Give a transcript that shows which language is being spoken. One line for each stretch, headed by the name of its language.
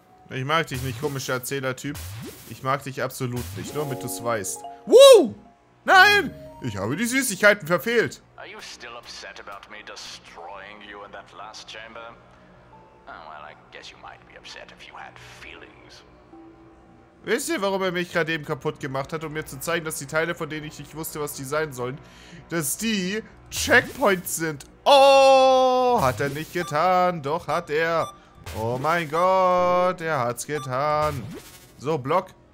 German: Ich mag dich nicht, komischer Erzählertyp. Ich mag dich absolut nicht, nur damit du es weißt. Woo! Nein! Ich habe die Süßigkeiten verfehlt.
English: Are you still upset about me destroying you in that last chamber? Oh, well, I guess you might be upset if you had feelings.
German: Wisst ihr, warum er mich gerade eben kaputt gemacht hat, um mir zu zeigen, dass die Teile, von denen ich nicht wusste, was die sein sollen, dass die Checkpoints sind? Oh, hat er nicht getan. Doch, hat er. Oh mein Gott, er hat's getan. So, Block.